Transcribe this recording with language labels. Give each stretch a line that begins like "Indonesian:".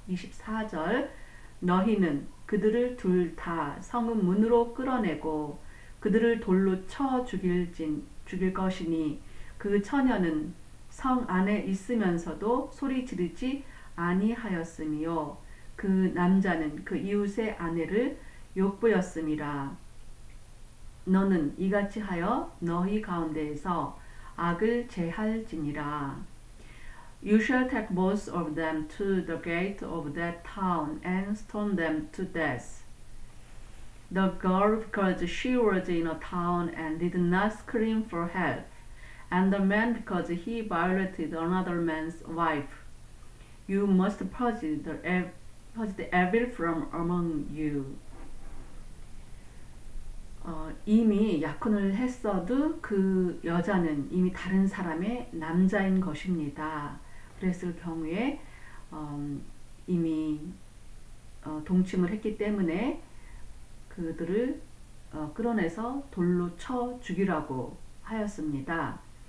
Korean: 24절 너희는 그들을 둘 다 성읍 문으로 끌어내고 그들을 돌로 쳐 죽일 것이니 그 처녀는 성 안에 있으면서도 소리 지르지 아니하였으며 그 남자는 그 이웃의 아내를 욕보였음이라. 너는 이같이 하여 너희 가운데에서 악을 제할지니라.
English: You shall take both of them to the gate of that town and stone them to death. The girl, because she was in a town and did not scream for help, and the man, because he violated another man's wife. You must purge the Purge the evil from among you.
Korean: 이미 약혼을 했어도 그 여자는 이미 다른 사람의 남자인 것입니다. 그랬을 경우에 이미 동침을 했기 때문에 그들을 끌어내서 돌로 쳐 죽이라고 하였습니다.